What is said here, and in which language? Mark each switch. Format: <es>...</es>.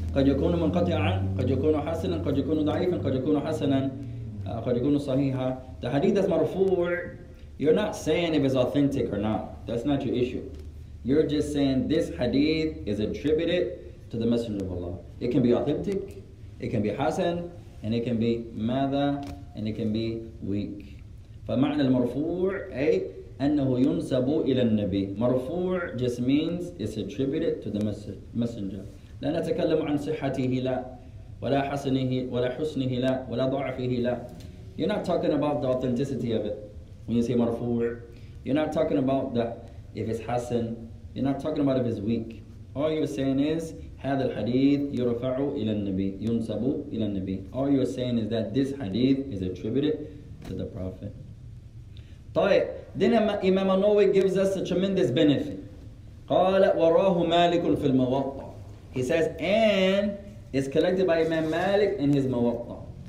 <ar>قد يكون منقطعا, قد يكون حسنا, قد يكون ضعيفا, قد يكون حسنا, قد يكون صحيحا.</ar> <en>The hadith is مرفوع, you're not saying if it's authentic or not. That's not your issue. You're just saying this hadith is attributed to the Messenger of Allah. It can be authentic, it can be حسن, and it can be ماذا, and it can be weak.</en> <ar>فمعنى المرفوع أي أنه ينسب إلى النبي.</ar> <en>مرفوع just means it's attributed to the messenger.</en> <ar>لا نتكلم عن صحته لا, ولا حسنه, ولا حسنه لا, ولا ضعفه لا.</ar> <en>You're not talking about the authenticity of it when you say مرفوع. You're not talking about that if it's حسن. You're not talking about if it's weak. All you're saying is</en> <ar>هذا الحديث يرفع إلى النبي, ينسب إلى النبي.</ar> <en>All you're saying is that this hadith is attributed to the prophet. طيب, then Imam al-Nawawi gives us a tremendous benefit.</en> <ar>قال وراه مالك في الموطا.</ar> <en>He says, and is collected by Imam Malik in his موطا.</en>